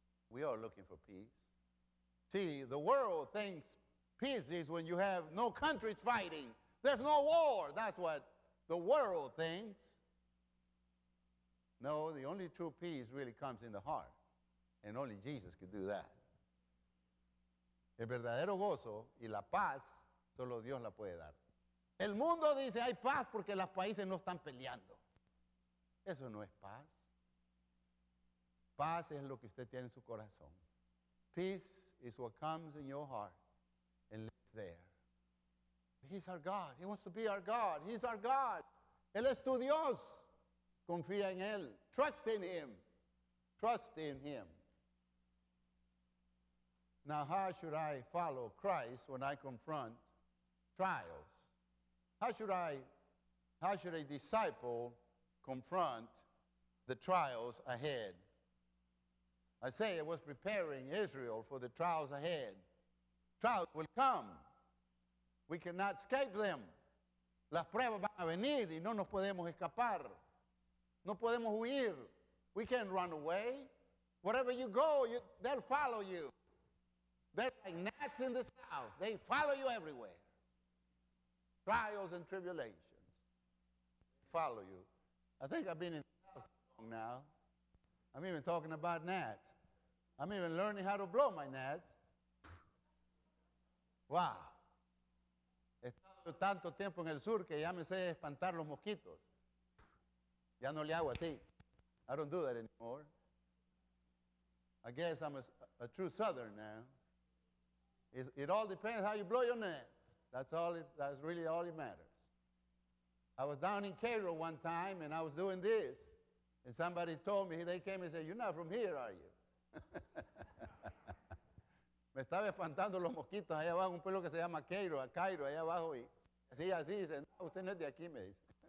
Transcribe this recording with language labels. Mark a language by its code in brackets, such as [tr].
[en] We are looking for peace. See, the world thinks peace is when you have no countries fighting. There's no war. That's what the world thinks. No, the only true peace really comes in the heart. And only Jesus could do that. [es] El verdadero gozo y la paz, solo Dios la puede dar. El mundo dice hay paz porque los países no están peleando. Eso no es paz. Paz es lo que usted tiene en su corazón. [en] Peace is what comes in your heart and lives there. He's our God. He wants to be our God. He's our God. [es] Él es tu Dios. Confía en Él. [en] Trust in Him. Trust in Him. Now, how should I follow Christ when I confront trials? How should a disciple confront the trials ahead? I say it was preparing Israel for the trials ahead. Trials will come. We cannot escape them. [es] Las pruebas van a venir y no nos podemos escapar. No podemos huir. [en] We can't run away. Wherever you go, they'll follow you. They're like gnats in the south. They follow you everywhere. Trials and tribulations follow you. I think I've been in the south long now. I'm even talking about gnats. I'm even learning how to blow my gnats. Wow. [es] He estado tanto tiempo en el sur que ya me sé espantar los mosquitos. Ya no le hago así. [en] I don't do that anymore. I guess I'm a true southern now. It all depends how you blow your gnats. That's really all it matters. I was down in Cairo one time, and I was doing this, and somebody told me, they came and said, you're not from here, are you? [es] Me estaba espantando los mosquitos allá abajo, un pueblo que se llama Cairo, a Cairo, allá abajo. Y así, así, dice, no, usted no es de aquí, me dice.